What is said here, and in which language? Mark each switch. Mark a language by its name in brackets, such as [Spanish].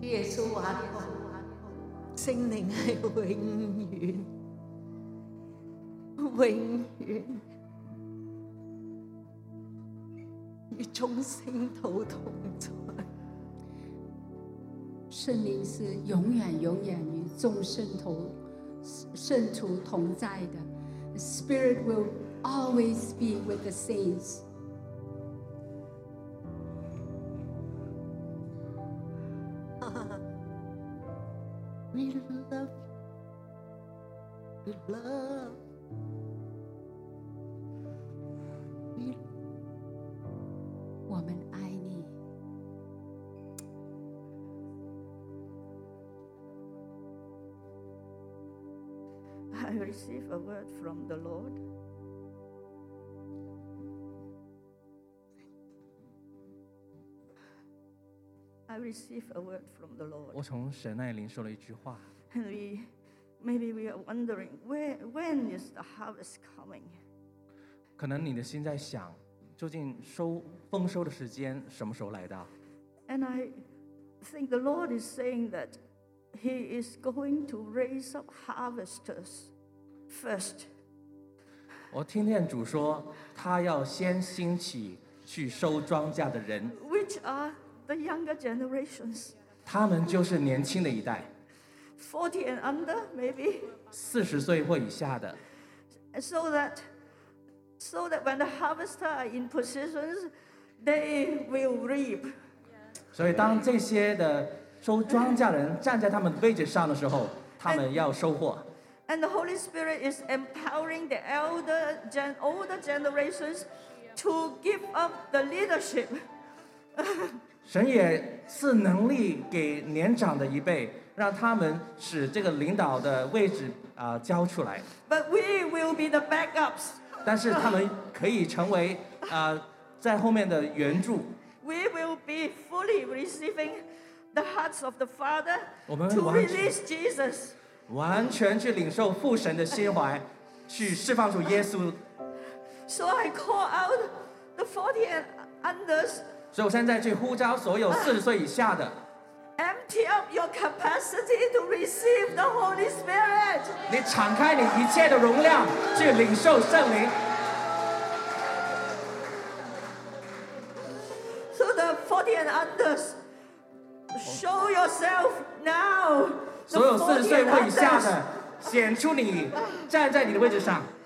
[Chinese] 圣灵是永远永远与众圣徒同在，圣灵是永远永远与众圣徒圣徒同在的。 [English] The Spirit will always be with the saints. We love you. We love you. [Chinese] 我们爱你。 [English] I receive a word from the Lord. I receive a word from the Lord. [Chinese] 我从神那里领受了一句话。 [English] And we, maybe we are wondering when is the harvest coming? [Chinese] 可能你的心在想，究竟收丰收的时间什么时候来的 [English] ？And I think the Lord is saying that He is going to raise up harvesters first. [Chinese] 我听见主说，他要先兴起去收庄稼的人。 [English] Which are The younger generations. [Chinese] 他们就是年轻的一代。 [English] 40 and under, maybe. [Chinese] 40岁或以下的。 [English] So that when the harvesters are in positions, they will reap. [Chinese] 所以当这些的收庄稼人站在他们的位置上的时候，他们要收获。 [English] And the Holy Spirit is empowering the older generations to give up the leadership. [Chinese] 神也赐能力给年长的一辈，让他们使这个领导的位置啊、交出来。 [English] But we will be the backups. [Chinese] 但是他们可以成为啊、在后面的援助。 [English] We will be fully receiving the hearts of the Father to release Jesus. [Chinese] 完全去领受父神的心怀，去释放出耶稣。 [English] So I call out the 40 and unders. [Chinese] 所以我现在去呼召所有四十岁以下的。 [English] Empty up your capacity to receive the Holy Spirit. [Chinese] 你敞开你一切的容量去领受圣灵。 [English] So the 40 and unders, show yourself now. [Chinese] 所有四十岁或以下的，显出你站在你的位置上。